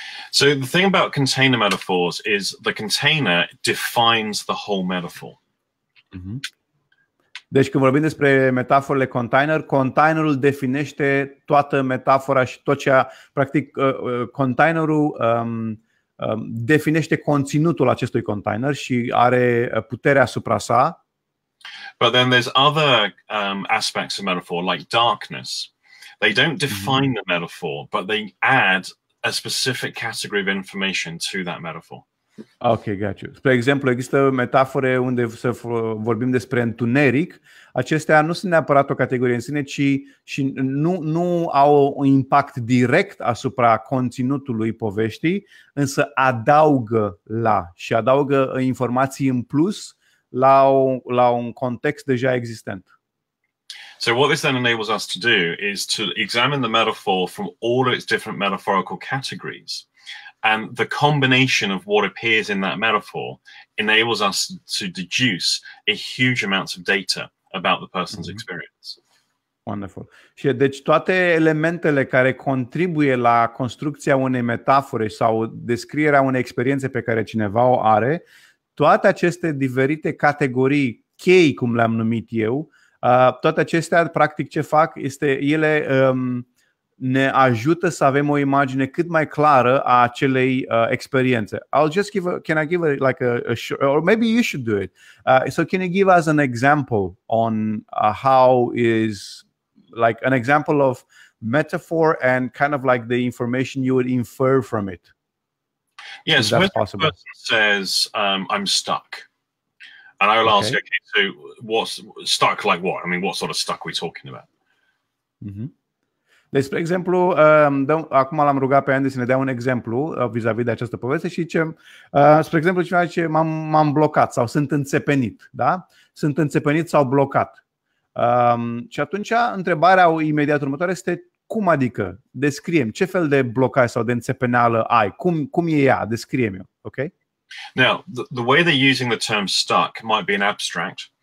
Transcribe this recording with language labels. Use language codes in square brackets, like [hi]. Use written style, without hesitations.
[en] So the thing about container metaphors is the container defines the whole metaphor. Mm-hmm. [ro] Deci când vorbim despre metaforele container, containerul definește toată metafora și tot ce a, practic containerul definește conținutul acestui container și are puterea asupra sa. [en] But then there's other aspects of metaphor like darkness. They don't define the metaphor, but they add a specific category of information to that metaphor. Okay, got you. [ro] Spre exemplu, există metafore unde să vorbim despre întuneric. Acestea nu sunt neapărat o categorie în sine, ci și nu au un impact direct asupra conținutului poveștii, însă adaugă la și adaugă informații în plus la un context deja existent. [en] So what this then enables us to do is to examine the metaphor from all of its different metaphorical categories, and the combination of what appears in that metaphor enables us to deduce a huge amount of data about the person's experience. Wonderful. [ro] Și deci toate elementele care contribuie la construcția unei metafore sau descrierea unei experiențe pe care cineva o are, toate aceste diferite categorii chei, cum le-am numit eu, toate acestea, practic, ce fac este ele ne ajută să avem o imagine cât mai clară a acelei experiențe. [en] I'll just give or maybe you should do it. So can you give us an example on how is like an example of metaphor and kind of like the information you would infer from it? Yes, when the person says, I'm stuck, and I will ask, okay, so what's stuck like what? I mean, what sort of stuck are we talking about? Mm-hmm. [ro] Deci, spre exemplu, acum l-am rugat pe Andy să ne dea un exemplu vis-a-vis de această poveste și zice, spre exemplu, cineva zice, m-am blocat sau sunt înțepenit, da? Sunt înțepenit sau blocat. Și atunci întrebarea imediat următoare este, cum adică? Descriem ce fel de blocaj sau de înțepeneală ai? Cum e ea? Descriem-o, ok? [en] Now, the way they're using the term stuck might be an abstract.